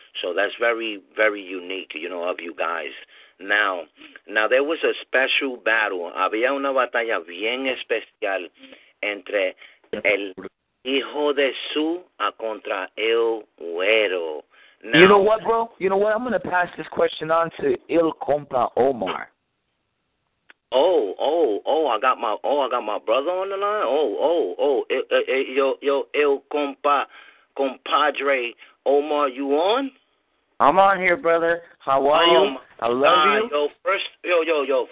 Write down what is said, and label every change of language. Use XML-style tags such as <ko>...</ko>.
<en>So that's very, very unique, you know, of you guys. Now there was a special battle.</en> <es>Había una batalla bien especial entre el hijo de su a contra el güero.</es> <en>Now, you know what, bro? You know what? I'm going to pass this question on to El Compa Omar. I got my brother on the line. El Compa, compadre Omar, you on? I'm on here, brother. How are you? I love you.</en>